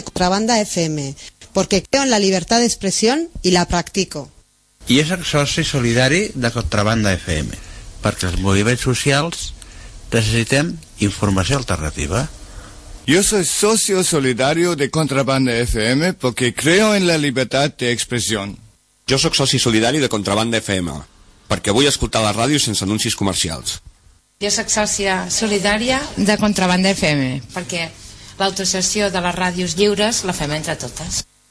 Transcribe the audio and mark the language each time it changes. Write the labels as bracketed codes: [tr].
[es] Banda FM, porque creo en la libertad de expresión y la practico. [ca] I és el soci solidari de Contrabanda FM, perquè els moviments socials necessitem informació alternativa. [es] Yo soy socio solidario de Contrabanda FM porque creo en la libertad de expresión. [ca] Jo sóc soci solidari de Contrabanda FM, perquè vull escoltar la ràdio sense anuncis comercials. Jo sóc sòcia solidària de Contrabanda FM, perquè l'autosessió de les ràdios lliures la fem entre totes.